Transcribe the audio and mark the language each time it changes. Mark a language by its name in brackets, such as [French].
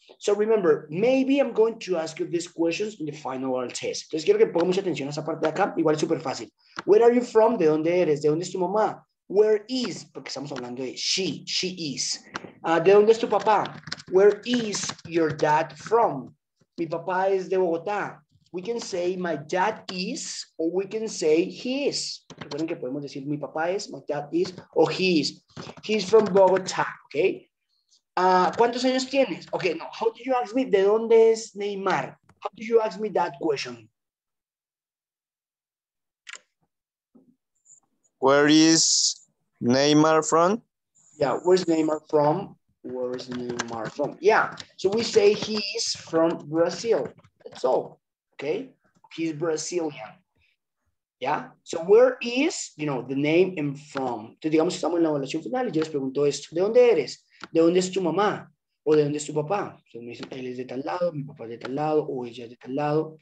[English] So remember, maybe I'm going to ask you these questions in the final oral test. [Spanish] Entonces quiero que ponga mucha atención a esa parte de acá. Igual es súper fácil. [English] Where are you from? [Spanish] ¿De dónde eres? ¿De dónde es tu mamá? [English] Where is? [Spanish] Porque estamos hablando de she is. ¿De dónde es tu papá? [English] Where is your dad from? [Spanish] Mi papá es de Bogotá. [English] We can say my dad is, or we can say he is. [Spanish] Recuerden que podemos decir mi papá es, [English] my dad is, or he is. He's from Bogotá, okay? [Spanish] ¿Cuántos años tienes? [English] Okay, no. How do you ask me, [Spanish] ¿de dónde es Neymar? [English] How do you ask me that question? Where is Neymar from? Yeah, where's Neymar from? Where's Neymar from? Yeah, so we say he is from Brazil. That's all. Okay, he's Brazilian. Yeah, so where is, you know, the name and from. [Spanish] Entonces, digamos que estamos en la evaluación final y yo les pregunto esto. ¿De dónde eres? ¿De dónde es tu mamá? ¿O de dónde es tu papá? Entonces, me dicen, él es de tal lado, mi papá es de tal lado, o ella es de tal lado.